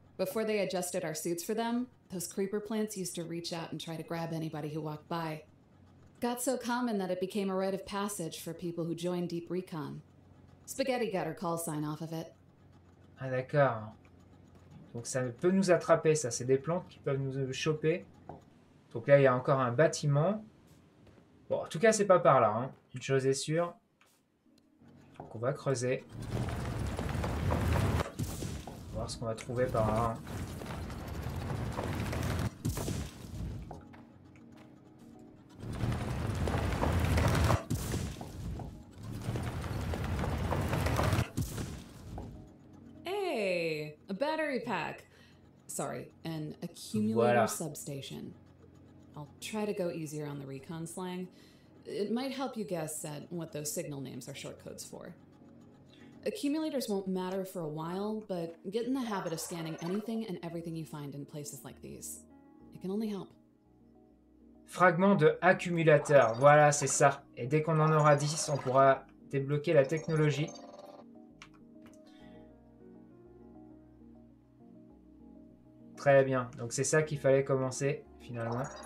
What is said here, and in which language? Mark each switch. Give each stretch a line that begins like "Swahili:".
English: Before they adjusted our suits for them, those creeper plants used to reach out and try to grab anybody who walked by. Got so common that it became a rite of passage for people who joined Deep Recon. Spaghetti got her call sign off of it.
French: Ah d'accord. Donc ça peut nous attraper, ça. C'est des plantes qui peuvent nous choper. Donc là, il y a encore un bâtiment. Bon, en tout cas, c'est pas par là, hein. Une chose est sûre. Donc on va creuser. On va voir ce qu'on va trouver par là.
English: Hey, a battery pack. Sorry, an accumulator voilà. Substation. I'll try to go easier on the recon slang. It might help you guess at what those signal names are short codes for. Accumulators won't matter for a while, but get in the habit of scanning anything and everything you find in places like these. It can only help.
French: Fragment de accumulateur. Voilà, c'est ça. Et dès qu'on en aura 10, on pourra débloquer la technologie. Très bien. Donc c'est ça qu'il fallait commencer, finalement.